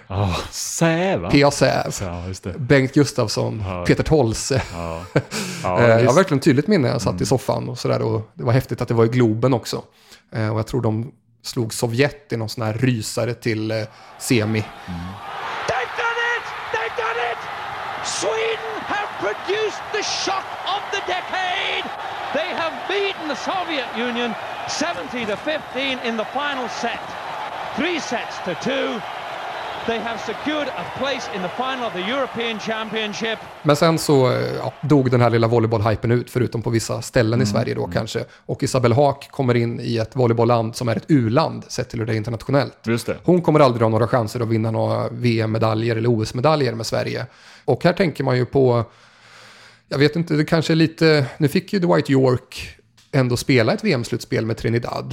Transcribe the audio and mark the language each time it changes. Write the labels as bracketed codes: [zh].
[sv] Ja, oh, Säv. P.A. Säv. Ja, just det. Bengt Gustafsson. Ja. Peter Tolse. Ja. Ja, jag har verkligen tydligt minne, jag satt i soffan och sådär. Och det var häftigt att det var i Globen också. Och jag tror de slog Sovjet i någon sån här rysare till semi. [en] Mm. They've done it! They've done it! Sweden have produced the shock of the decade! They have beaten the Soviet Union 70-15 in the final set. 3-2. They have secured a place in the final of the European Championship. [sv] Men sen så dog den här lilla volleybollhypen ut, förutom på vissa ställen i Sverige då kanske. Och Isabelle Haak kommer in i ett volleybollland som är ett U-land, sett till hur det är internationellt. Just det. Hon kommer aldrig ha några chanser att vinna några VM-medaljer eller OS-medaljer med Sverige. Och här tänker man ju på, jag vet inte, det kanske är lite, nu fick ju Dwight York ändå spela ett VM-slutspel med Trinidad.